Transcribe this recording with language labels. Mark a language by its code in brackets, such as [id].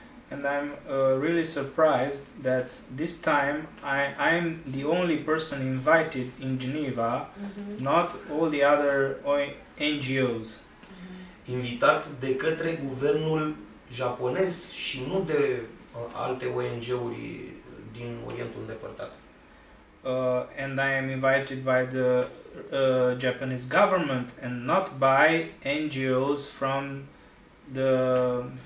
[en] And I'm really surprised that this time I'm the only person invited in Geneva, not all the other NGOs. [ro] Invitat de către guvernul japonez și nu de alte ONG-uri din Orientul Îndepărtat. [en] And I am invited by the Japanese government and not by NGOs from the